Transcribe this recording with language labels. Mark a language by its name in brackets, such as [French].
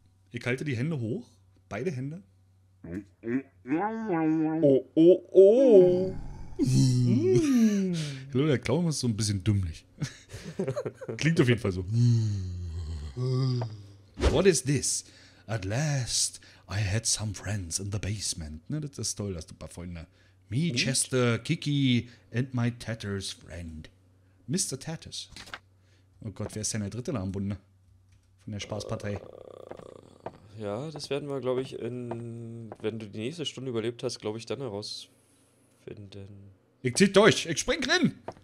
[German] Ich halte die Hände hoch. Beide Hände. Oh, oh, oh. Hallo, der Clown ist so ein bisschen dümmlich. Klingt auf jeden Fall so. [English] What is this? At last, I had some friends in the basement. [German] Ne, das ist toll, dass du ein paar Freunde. [English] Me, Chester, Kiki and my Tatters friend. Mr. Tatters. [German] Oh Gott, wer ist denn der dritte da am Bunde? Von der Spaßpartei. Ja, das werden wir, glaube ich, wenn du die nächste Stunde überlebt hast, glaube ich, dann herausfinden. Ich zieh durch, ich spring hin!